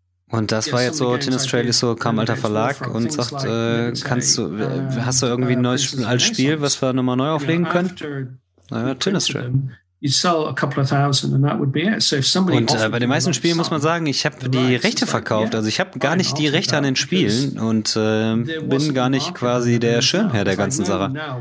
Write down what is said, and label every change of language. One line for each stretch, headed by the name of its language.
German: Und das war jetzt so, Tin Astral ist so, kam alter Verlag und sagt, hast du irgendwie ein neues altes Spiel, was wir nochmal neu auflegen können? Naja, Tin Astral.
English: you'd sell a couple of thousand and that would be it. So if somebody
German: und bei den meisten Spielen muss man sagen, ich habe die Rechte verkauft. Also ich habe gar nicht die Rechte an den Spielen und bin gar nicht quasi der Schirmherr der ganzen Sache.